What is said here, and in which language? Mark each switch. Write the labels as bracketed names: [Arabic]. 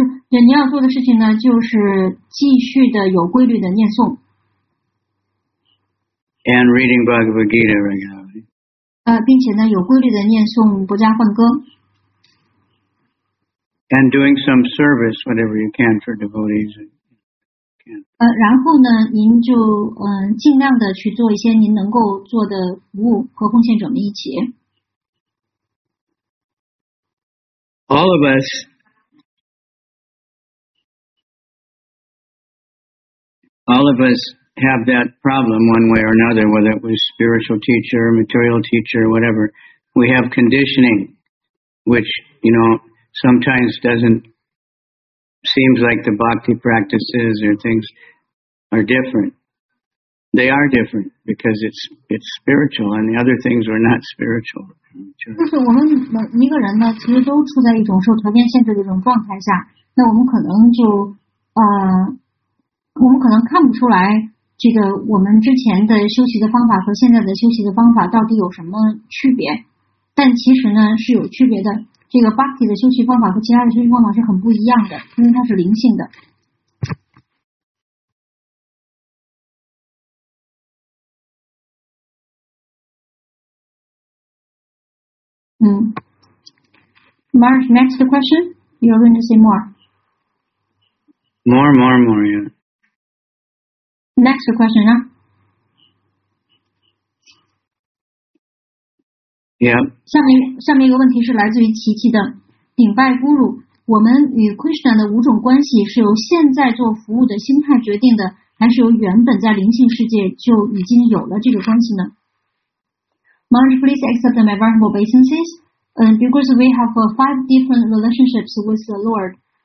[Chinese] 你要做的事情呢就是继续的有规律的念诵。 [English] And reading Bhagavad Gita regularly. [Chinese] 并且呢有规律的念诵不加梵歌。 [English] And doing some service, whatever you can for devotees. [Chinese] 然后呢您就尽量的去做一些您能够做的服务和奉献者们一起。 [English] All of us have that problem one way or another, whether it was spiritual teacher, material teacher, whatever. We have conditioning, which, you know, sometimes seems like the bhakti practices or things are different. They are different because it's spiritual and the other things are not spiritual. [Chinese] 就是我们每一个人呢其实都处在一种受条件限制的一种状态下，那我们可能就我们可能看不出来这个我们之前的修习的方法和现在的修习的方法到底有什么区别，但其实呢是有区别的。这个 Bhakti 的修习方法和其他的修习方法是很不一样的，因为它是灵性的。 [English] Mark, next question. You're going to say more, yeah. Next question, huh? Yeah. [Chinese] 下面一个问题是来自于琪琪的顶拜咕噜。我们与 Krishna 的五种关系是由现在做服务的心态决定的，还是由原本在灵性世界就已经有了这个关系呢？ [English] Maharaj, please accept my vulnerable obeisances. Because we have five different relationships with the Lord.